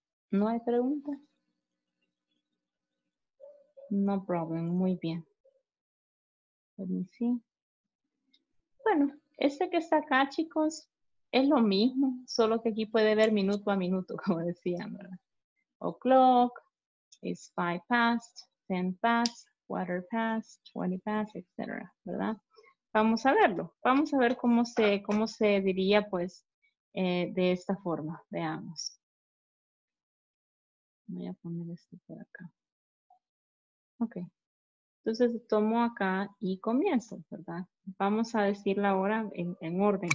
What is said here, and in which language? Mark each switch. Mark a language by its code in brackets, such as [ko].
[es] ¿No hay pregunta? [en] No problem. [es] Muy bien. [en] Let me see. [es] Bueno, este que está acá, chicos, Es lo mismo, solo que aquí puede ver minuto a minuto, como decían, ¿verdad? [en] O'clock, it's 5 past, 10 past, quarter past, 20 past, etc. [es] ¿Verdad? Vamos a verlo. Vamos a ver cómo se diría, pues, de esta forma. Veamos. Voy a poner esto por acá. Ok. Entonces, tomo acá y comienzo, ¿verdad? Vamos a decir la hora en orden.